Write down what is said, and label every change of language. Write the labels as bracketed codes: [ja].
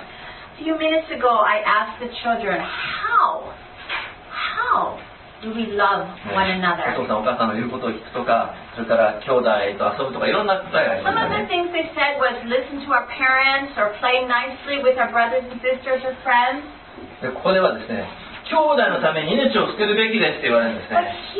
[en] A few minutes ago, I asked the children, how do we love one another?、 [ja] ね、お父さん、お母さんの言うことを聞くとか、それから兄弟と遊ぶとかいろんな答えがありますね。 [en] Some of the things they said was listen to our parents or play nicely with our brothers and sisters or friends. [ja] でここではですね、兄弟のために命を捨てるべきですって言われるんですね。